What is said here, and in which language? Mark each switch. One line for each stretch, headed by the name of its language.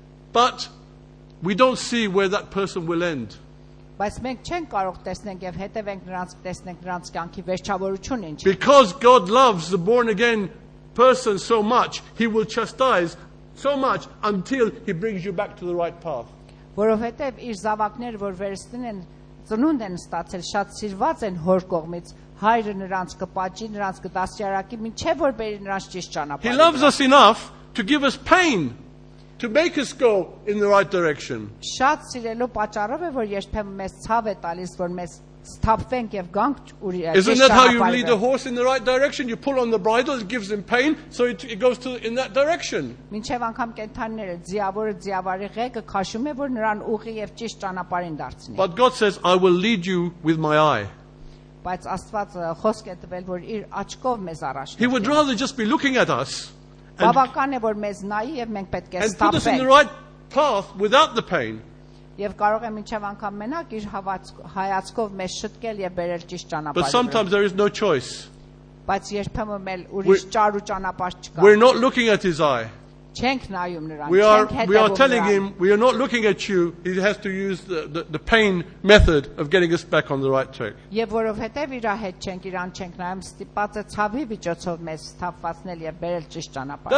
English: But we don't see where that person will end. Because God loves the born-again person so much, he will chastise so much until he brings you back to the right path.
Armenian: Որովհետև իր զավակները, որ վերստին են, ծնունդ են ստացել, շատ սիրված են հոր կողմից, հայրը նրանց կպաճի, նրանց կդաստիարակի, մինչև որ բերի նրանց ճիշտ ճանապարհ։
English: He loves us enough to give us pain, to make us go in the right direction.
Armenian: Շատ սիրելու պատճառով է, որ երբեմն մեզ ցավ է տալիս, որ մեզ ստափվենք եւ գանք ուրիշ ճանապարհ։
English: Isn't that how you lead a horse in the right direction? You pull on the bridle, it gives him pain, so it goes to in that direction.
Armenian: Մինչև անգամ կենթանները, ձիավորը ձիավարի ղեկը քաշում է, որ նրան ուղի եւ ճիշտ ճանապարհին դարձնի։
English: But God says, I will lead you with my eye.
Armenian: Բայց Աստված խոսք է տվել, որ իր աչքով մեզ առաջնորդի։
English: He would rather just be looking at us.
Armenian: Բավական է, որ մեզ նայի եւ մենք պետք է ստափվենք.
English: And put us in the right path without the pain.
Armenian: Եվ կարող է մինչև անգամ մենակ իր հայացքով մեզ շտկել եւ բերել ճիշտ ճանապարհ։
English: But sometimes there is no choice.
Armenian: Բայց երբեմն մեր ուրիշ ճարու ճանապարհ չկա։
English: We're not looking at his eye.
Armenian: Չենք նայում նրան։
English: We are telling him we are not looking at you. He has to use the pain method of getting us back on the right track.
Armenian: Եվ որովհետեւ իր հետ չենք իրան չենք նայում, ստիպած է ցավի միջոցով մեզ սթափվացնել եւ բերել ճիշտ ճանապարհ։